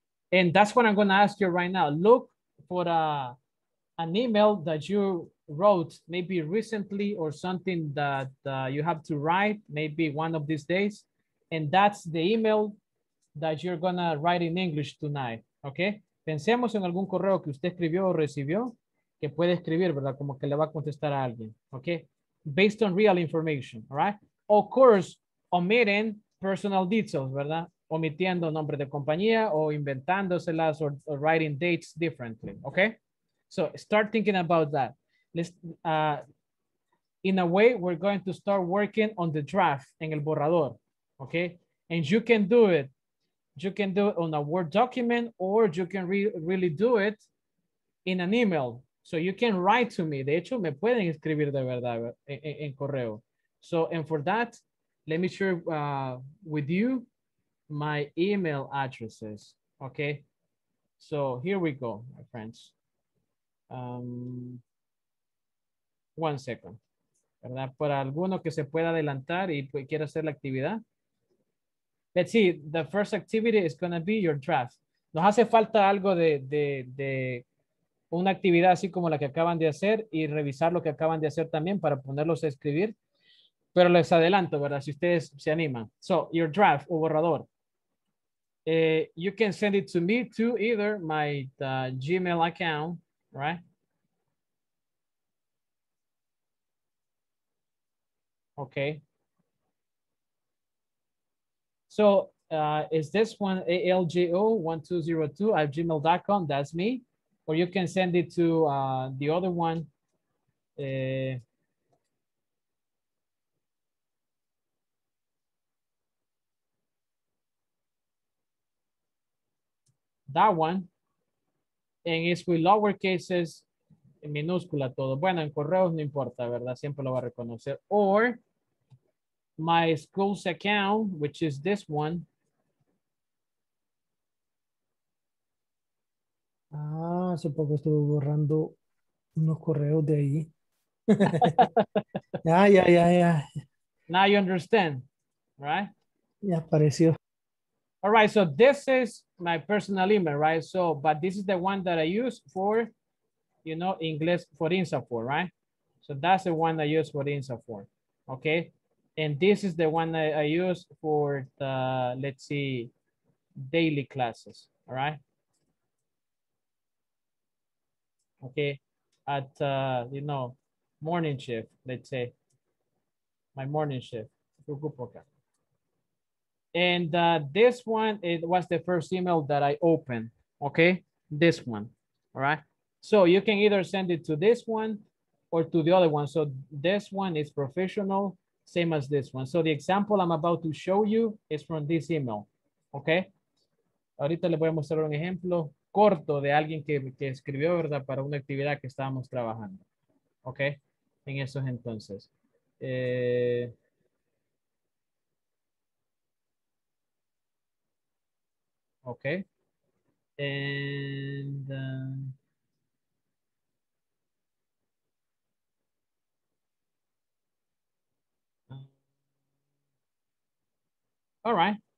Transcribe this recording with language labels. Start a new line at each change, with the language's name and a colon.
English: And that's what I'm gonna ask you right now. Look for an email that you wrote maybe recently or something that you have to write maybe one of these days. And that's the email that you're gonna write in English tonight, okay?
Spanish: Pensemos en algún correo que usted escribió o recibió que puede escribir, ¿verdad? Como que le va a contestar a alguien, okay?
English: Based on real information, all right? Of course, omitting personal details, ¿verdad?
Spanish: Omitiendo nombre de compañía o inventándoselas
English: or writing dates differently,
Spanish: okay?
English: So start thinking about that. Let's, in a way, we're going to start working on the draft
Spanish: en el borrador,
English: okay? And you can do it. You can do it on a Word document or you can really do it in an email. So you can write to me.
Spanish: De hecho, me pueden escribir de verdad en correo.
English: So, and for that, let me share with you my email addresses, okay? So here we go, my friends. One second, ¿verdad?
Spanish: Para alguno que se pueda adelantar y quiera hacer la actividad.
English: Let's see, the first activity is gonna be your draft.
Spanish: Nos hace falta algo de una actividad así como la que acaban de hacer y revisar lo que acaban de hacer también para ponerlos a escribir. Pero les adelanto, ¿verdad? Si ustedes se animan.
English: So, your draft
Spanish: o borrador.
English: You can send it to me to either my Gmail account, right? Okay. So is this one ALJO1202@gmail.com? That's me. or you can send it to the other one. That one, and it's with lower cases,
Spanish: en minúscula todo. Bueno, en correos no importa, ¿verdad? Siempre lo va a reconocer.
English: Or my school's account, which is this one.
Spanish: Ah, supongo estuve borrando unos correos de ahí.
English: Now you understand, right?
Spanish: Ya apareció.
English: All right, so this is my personal email, right? So, but this is the one that I use for, you know, Inglés for INSAFORP, right? So that's the one I use for INSAFORP, okay? And this is the one I use for the, let's see, daily classes, all right? Okay, at, you know, morning shift, let's say, my morning shift. And this one, it was the first email that I opened, okay? This one, all right? So you can either send it to this one or to the other one. So this one is professional, same as this one. So the example I'm about to show you is from this email, okay?
Spanish: Ahorita le voy a mostrar un ejemplo corto de alguien que escribió, ¿verdad? Para una actividad que estábamos trabajando, okay? En esos entonces.
English: Okay, and all right.